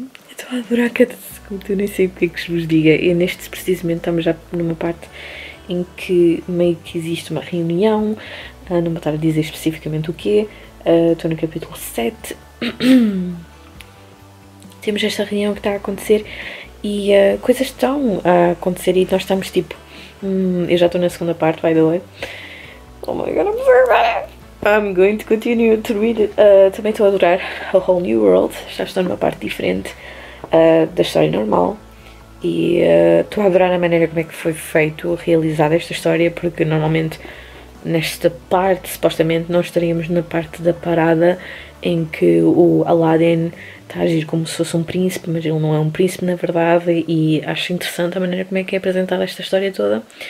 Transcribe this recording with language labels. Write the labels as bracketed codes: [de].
[pt] Estou a adorar cada segundo, eu nem sei o que é que vos diga. E neste, precisamente, estamos já numa parte em que meio que existe uma reunião, não vou estar a dizer especificamente o quê. Estou no capítulo 7. Temos esta reunião que está a acontecer e coisas estão a acontecer e nós estamos tipo... eu já estou na segunda parte, [en] by the way. Oh my god, I'm so bad. I'm going to continue to read. [pt] Também estou a adorar A Whole New World. Já estou numa parte diferente da história normal. E estou a adorar a maneira como é que foi feito, realizada esta história, porque normalmente nesta parte, supostamente, nós estaríamos na parte da parada em que o Aladdin está a agir como se fosse um príncipe, mas ele não é um príncipe, na verdade, e acho interessante a maneira como é que é apresentada esta história toda.